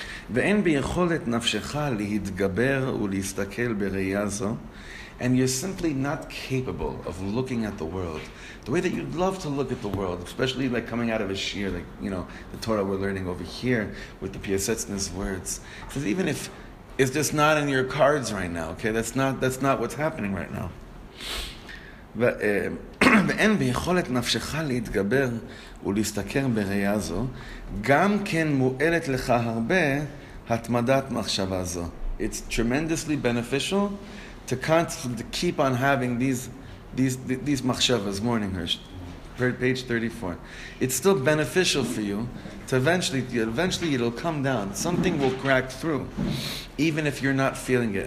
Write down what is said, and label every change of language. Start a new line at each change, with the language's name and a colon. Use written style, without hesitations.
Hebrew: ואין ביכולת נפשך להתגבר ולהסתכל בראייה זו.
English: And you're simply not capable of looking at the world the way that you'd love to look at the world, especially like coming out of a shiur, like, you know, the Torah we're learning over here with the Piasetzna's words. Because even if it's just not in your cards right now, okay, that's not what's happening right now.
Hebrew: ואין ביכולת נפשך להתגבר ולהסתכל בראייה זו, גם כן מועלת לך הרבה התמדת מחשבה זו.
English: It's tremendously beneficial to constantly keep on having these machshavas, morning hirsch, page 34. It's still beneficial for you to eventually it'll come down. Something will crack through, even if you're not feeling it.